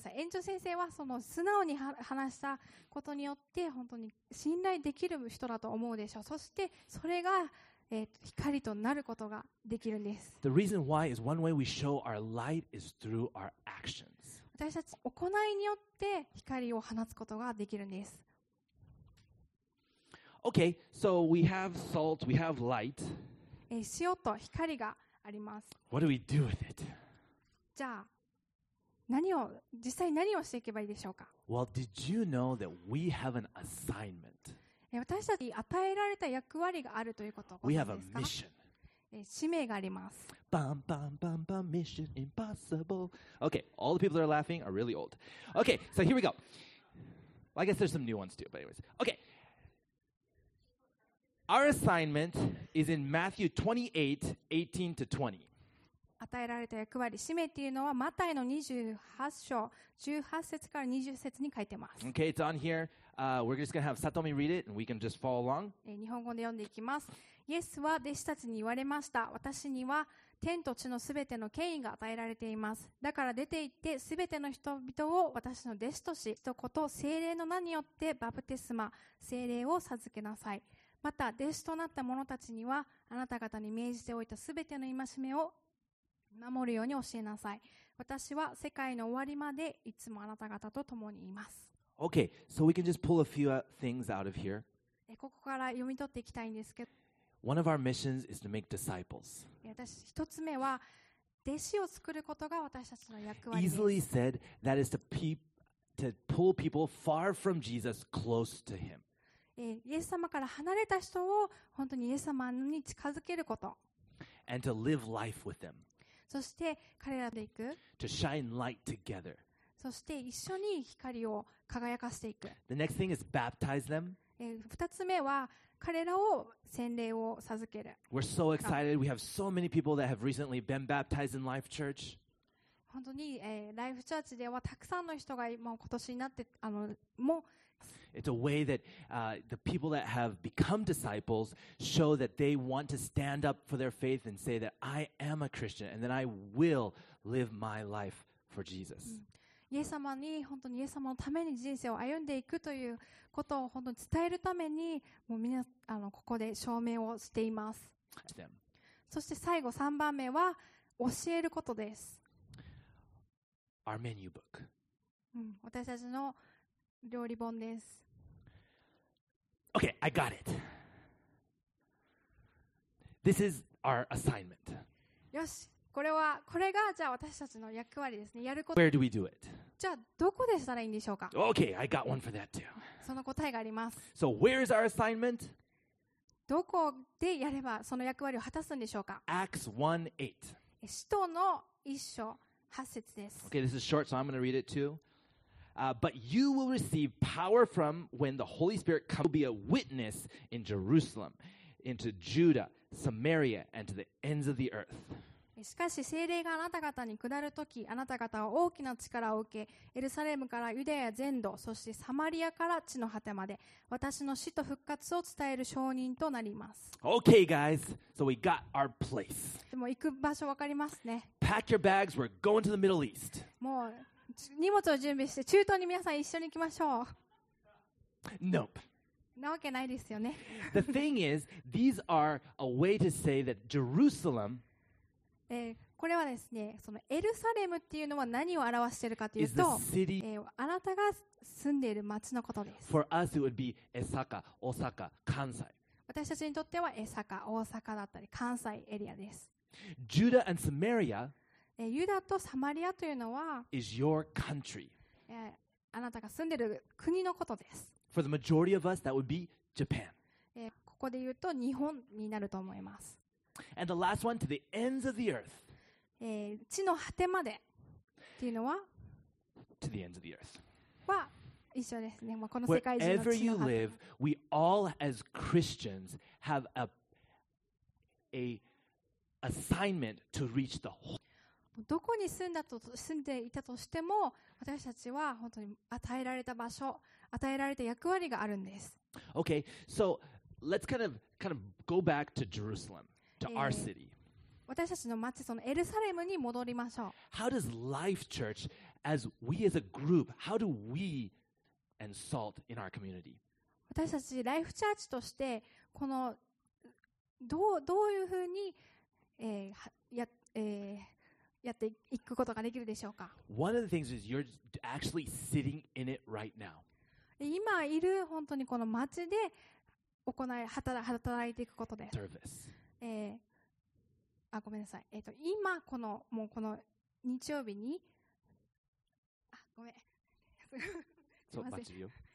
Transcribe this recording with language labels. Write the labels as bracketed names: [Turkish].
[Japanese] なさい、園長先生はその素直に話したことによって本当に信頼できる人だと思うでしょう。そしてそれが光となることができるんです。 [English] The reason why is one way we show our light is through our actions. [Japanese] 私たち行いによって光を放つことができるんです。 [English] Okay, so we have salt, we have light. [Japanese] 塩と光があります。 [English] What do we do with it? [Japanese] じゃあ実際何をしていけばいいでしょうか。 [English] Well, did you know that we have an assignment? [Japanese] 私たちに与えられた役割があるということですか。 [English] We have a mission. [Japanese] 使命があります。 [English] バンバンバンバン、Mission Impossible. Okay, all the people that are laughing are really old. Okay, so here we go. Well, I guess there's some new ones too, but anyways. Okay. Our assignment is in Matthew 28:18-20. [Japanese] 与えられた役割、使命っていうのはマタイの28章18節から20節に書いてます。 [English] Okay, it's on here. We're just gonna have Satomi read it and we can just follow along. [Japanese] 日本語で読んでいきます。イエスは弟子たちに言われました。私には天と地のすべての権威が与えられています。だから出て行ってすべての人々を私の弟子とし、一言聖霊の名によってバプテスマ、聖霊を授けなさい。また弟子となった者たちにはあなた方に命じておいたすべての戒めを守るように教えなさい。私は世界の終わりまでいつもあなた方と共にいます。 [English] Okay, so we can just pull a few things out of here. [Japanese] ここから読み取っていきたいんですけど、 [English] One of our missions is to make disciples. [Japanese] 私、一つ目は弟子を作ることが私たちの役割です。 [English] Easily said, that is to pull people far from Jesus close to him. [Japanese] イエス様から離れた人を本当にイエス様に近づけること。 [English] And to live life with them. [Japanese] そして彼らで行く。 [English] To shine light together. [Japanese] そして一緒に光を輝かせていく。 [English] The next thing is baptize them. [Japanese] 二つ目は彼らを洗礼を授ける。 [English] We're so excited. We have so many people that have recently been baptized in Life Church. [Japanese] 本当に、Life Church ではたくさんの人が今年になってもう。 [English] It's a way that the people that have become disciples show that they want to stand up for their faith and say that I am a Christian and that I will live my life for Jesus. [Japanese] イエス様に本当にイエス様のために人生を歩んでいくということを本当に伝えるためにもうみんなここで証明をしています。そして最後3番目は教えることです。 [English] Our menu book. [Japanese] 私たちの料理本です。 [English] Okay, I got it. This is our assignment. [Japanese] よし、これがじゃあ私たちの役割ですね。やること。 [English] Where do we do it? [Japanese] じゃあどこでしたらいいんでしょうか。 [English] Okay, I got one for that too. [Japanese] その答えがあります。 [English] So where is our assignment? [Japanese] どこでやればその役割を果たすんでしょうか。 [English] Acts 1:8. [Japanese] 使徒の一章8節です。 [English] Okay, this is short, so I'm going to read it too. But you will receive power from when the Holy Spirit comes to be a witness in Jerusalem, into Judah, Samaria, and to the ends of the earth. [Japanese] しかし聖霊があなた方に下るとき、あなた方は大きな力を受け、エルサレムからユダヤ全土、そしてサマリアから地の果てまで、私の死と復活を伝える証人となります。 [English] Okay, guys. So we got our place. [Japanese] でも行く場所わかりますね。 [English] Pack your bags. We're going to the Middle East. [Japanese] もう荷物を準備して中東に皆さん一緒に行きましょう。 [English] Nope. [Japanese] なわけないですよね。 [English] The thing is, these are a way to say that Jerusalem. [Japanese] これはですね、そのエルサレムっていうのは何を表しているかというと、あなたが住んでいる町のことです。 [English] For us, it would be Osaka, Osaka, Kansai. [Japanese] 私たちにとっては Osaka、大阪だったり関西エリアです。 [English] Judah and Samaria. [Japanese] ユダとサマリアというのは [English] is your country. [Japanese] あなたが住んでる国のことです。 [English] For the majority of us, that would be Japan. [Japanese] ここで言うと日本になると思います。 [English] And the last one, to the ends of the earth. [Japanese] 地の果てまでっていうのは [English] to the ends of the earth. [Japanese] は一緒ですね。この世界中の地の果て。 [English] Wherever you live, we all as Christians have a assignment to reach the whole. [Japanese] どこに住んでいたとしても私たちは本当に与えられた場所、与えられた役割があるんです。 [English] OK, so let's kind of go back to Jerusalem, to our city. [Japanese] 私たちの町、そのエルサレムに戻りましょう。 [English] How does Life Church, as we as a group, how do we and salt in our community? [Japanese] 私たちライフチャーチとして、このどういうふうに、やっていくことができるでしょうか。 [English] One of the things is you're actually sitting in it right now. [Japanese] 今いる本当にこの町で行い、働いていくことです。 [English] Service. [Japanese] あ、ごめんなさい。今このもうこの日曜日に、あ、ごめん。すみません。 [English] So much of you.